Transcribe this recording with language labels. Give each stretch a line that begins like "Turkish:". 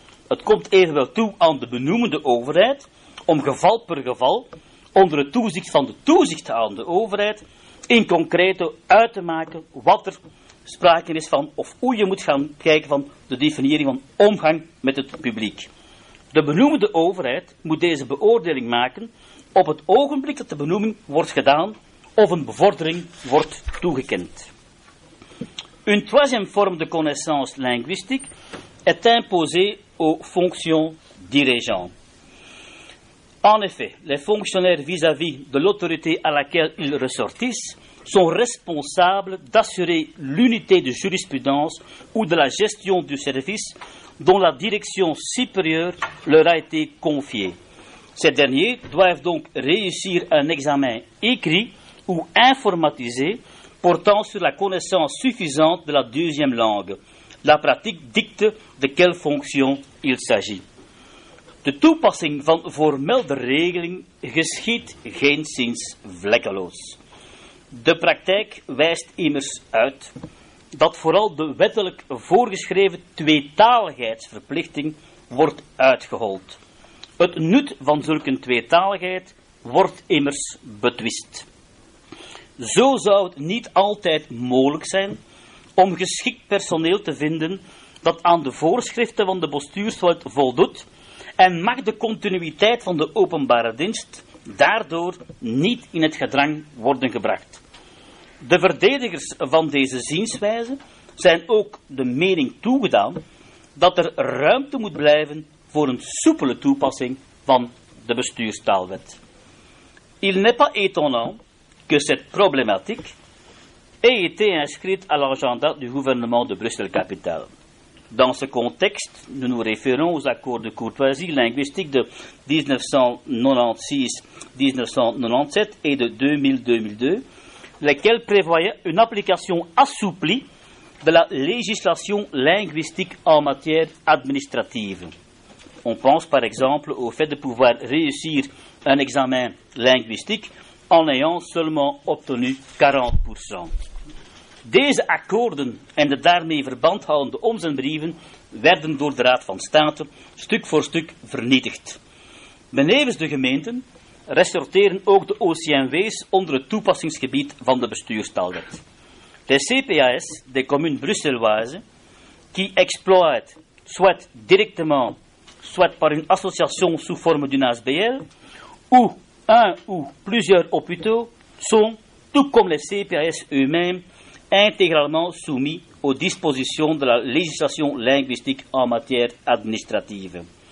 Dutch: Het komt evenwel toe aan de benoemende overheid om geval per geval, onder het toezicht van de toezichthoudende overheid, in concreto uit te maken wat er sprake is van of hoe je moet gaan kijken van de definiëring van omgang met het publiek. De benoemende overheid moet deze beoordeling maken op het ogenblik dat de benoeming wordt gedaan of een bevordering wordt toegekend.
French: Une troisième forme de connaissance linguistique est imposée aux fonctions dirigeantes. En effet, les fonctionnaires vis-à-vis de l'autorité à laquelle ils ressortissent sont responsables d'assurer l'unité de jurisprudence ou de la gestion du service dont la direction supérieure leur a été confiée. Ces derniers doivent donc réussir un examen écrit ou informatisé portant sur la connaissance suffisante de la deuxième langue. La pratique dicte de quelle fonction il s'agit.
Dutch: De toepassing van formelle regeling geschiet geenszins vlekkeloos. De praktijk wijst immers uit dat vooral de wettelijk voorgeschreven tweetaligheidsverplichting wordt uitgehold. Het nut van zulke tweetaligheid wordt immers betwist. Zo zou het niet altijd mogelijk zijn om geschikt personeel te vinden dat aan de voorschriften van de bestuurswet voldoet en mag de continuïteit van de openbare dienst daardoor niet in het gedrang worden gebracht. De verdedigers van deze zienswijze zijn ook de mening toegedaan dat er ruimte moet blijven voor een soepele toepassing van de bestuurstaalwet.
French: Il n'est pas étonnant que cette problématique ait été inscrite à l'agenda du gouvernement de Bruxelles-Capitale. Dans ce contexte, nous nous référons aux accords de courtoisie linguistique de 1996-1997 et de 2000-2002, lesquels prévoyaient une application assouplie de la législation linguistique en matière administrative. On pense par exemple au fait de pouvoir réussir un examen linguistique en ayant seulement obtenu 40%.
Dutch: Deze akkoorden en de daarmee verband houdende omzendbrieven werden door de Raad van State stuk voor stuk vernietigd. Benevens de gemeenten resorteren ook de OCMW's onder het toepassingsgebied van de bestuurstaalwet.
French: des CPAS des communes bruxelloises qui exploitent, soit directement, soit par une association sous forme d'une ASBL, ou un ou plusieurs hôpitaux sont, tout comme les CPAS eux-mêmes, intégralement soumis aux dispositions de la législation linguistique en matière administrative.